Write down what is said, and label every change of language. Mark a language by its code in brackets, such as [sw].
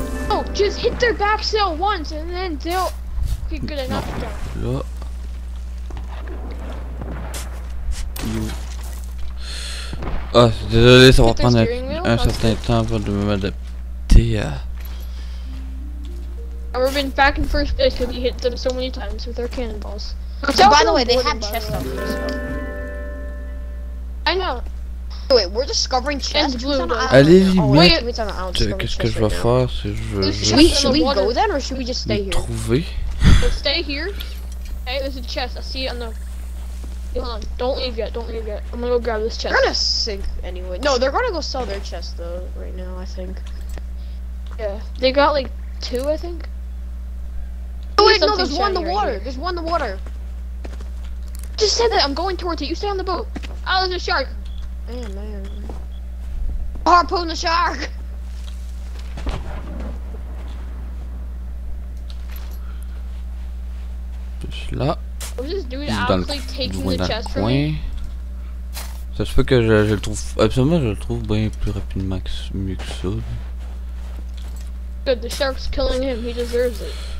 [en] Oh, just hit their back sail once and then they'll be good enough to drive. [fr] Oh, désolé, ça va prendre un certain temps avant de m'adapter à. [en] We've been back in first place because we hit them so many times with our cannonballs. So, by the way, they have chests up here, so. I know. Wait, we're discovering chests. [fr] Allez-y, mec. Qu'est-ce que je vais faire si je. [en] Should we go then or should we just stay here? [fr] Trouver. [en] So stay here. Hey, there's a chest. I see it on the. Hold on. Don't leave yet. I'm gonna go grab this chest. They're gonna sink anyway. No, they're gonna go sell their chest though, right now, I think. Yeah. They got like. Two, I think. Oh, wait, no, there's one in the water. Right, there's one in the water. Just said that I'm going towards it. You stay on the boat. Oh, there's a shark. Man. Harpoon the shark. Just là. Just taking the chest from me. [fr] Ça se peut que je le trouve. Absolument, je le trouve bien plus rapidement que mieux que ça. [en] Good, the shark's killing him, he deserves it.